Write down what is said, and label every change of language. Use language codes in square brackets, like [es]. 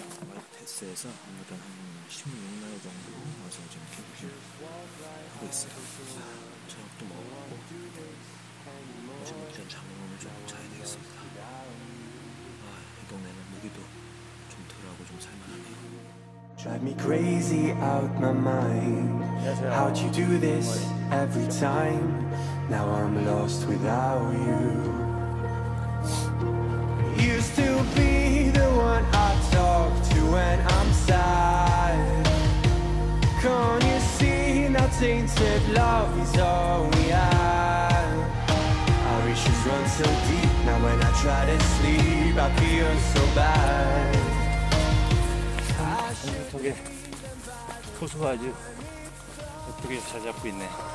[ko] 와이패스에서 아무래도 한 16마일 정도 와서 지금 캠핑을 하고 있어요. 저녁도 먹었고 이제 일단 잠을 오늘 좀 자야 되겠습니다. 이 동네는 무기도 좀 덜하고 좀 살만하네요. [en] Drive me crazy out my mind. How'd you do this every time? Now I'm lost without you. Used to be the one I talk to when I'm sad. Can't you see that tainted love is all we have? Our issues run so deep. Now when I try to sleep, I feel so bad. [ko] 저게 호수가 아주 예쁘게 자리잡고 있네.